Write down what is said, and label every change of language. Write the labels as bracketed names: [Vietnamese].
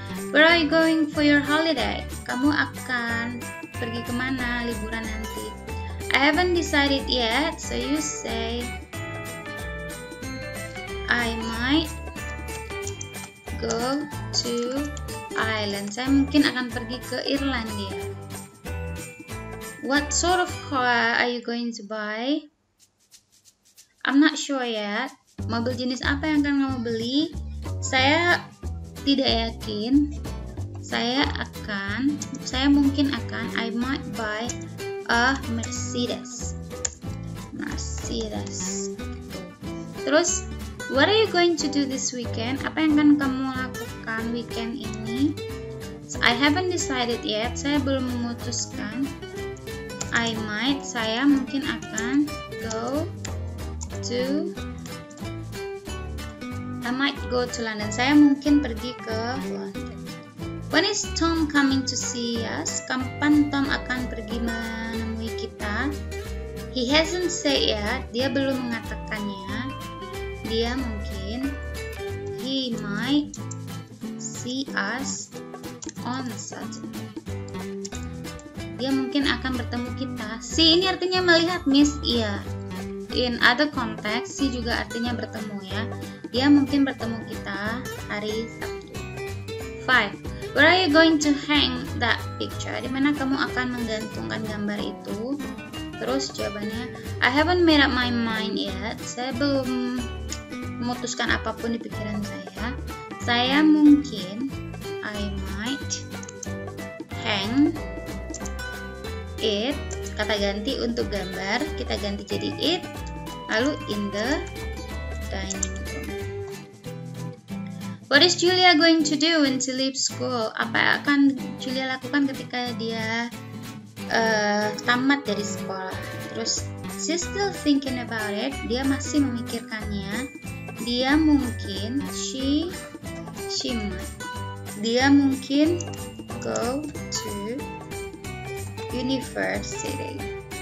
[English] Where are you going for your holiday? [Indonesian] Kamu akan pergi kemana liburan nanti? [English] I haven't decided yet, so you say I might go to Ireland. [Indonesian] Saya mungkin akan pergi ke Irlandia. [English] What sort of car are you going to buy? I'm not sure yet. [Indonesian] Mobil jenis apa yang akan kamu beli? Saya tidak yakin. [English] I might buy a Mercedes. Mercedes. Terus, what are you going to do this weekend? [Indonesian] Apa yang akan kamu lakukan weekend ini? [English] I haven't decided yet. [Indonesian] Saya belum memutuskan. [English] I might. [Indonesian] Saya mungkin akan [English] go to London. [Indonesian] Saya mungkin pergi ke London. [English] When is Tom coming to see us? [Indonesian] Kapan Tom akan pergi menemui kita? [English] He hasn't said yet. [Indonesian] Dia belum mengatakannya. Dia mungkin, [English] he might see us on Saturday. [Indonesian] Dia mungkin akan bertemu kita. See ini artinya melihat, miss, iya. [English] In other context, [Indonesian] see juga artinya bertemu ya. Dia mungkin bertemu kita hari Sabtu. 5. [English] Where are you going to hang that picture? [Indonesian] Di mana kamu akan menggantungkan gambar itu? Terus jawabannya, [English] I haven't made up my mind yet. [Indonesian] Saya belum memutuskan apapun di pikiran saya. Saya mungkin [English] I might hang it [Indonesian] kata ganti untuk gambar kita ganti jadi it, lalu [English] in the dining room. What is Julia going to do when she leaves school? [Indonesian] Apa yang akan Julia lakukan ketika dia tamat dari sekolah? [English] Terus, she's still thinking about it. [Indonesian] Dia masih memikirkannya. Dia mungkin [English] she might. [Indonesian] Dia mungkin [English] go to university.